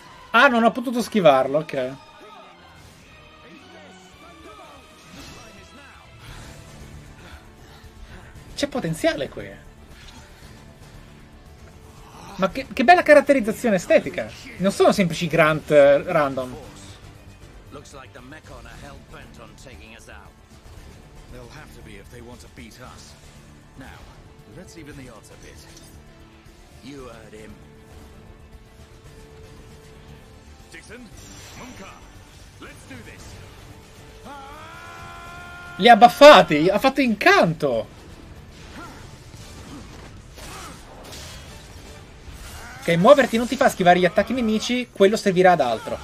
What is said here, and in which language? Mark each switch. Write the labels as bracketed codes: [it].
[it] Ah, non ho potuto schivarlo, ok. C'è potenziale qui. Ma che bella caratterizzazione estetica. Non sono semplici Grunt random. [en] Looks like the Mechon are hell bent on taking us out. They'll have to be if they want to beat us. Now, let's even the odds a bit. You heard him. Dixon, Munkar, let's do this. [it] Li ha baffati, ha fatto incanto. Ok, muoverti non ti fa schivare gli attacchi nemici, quello servirà ad altro.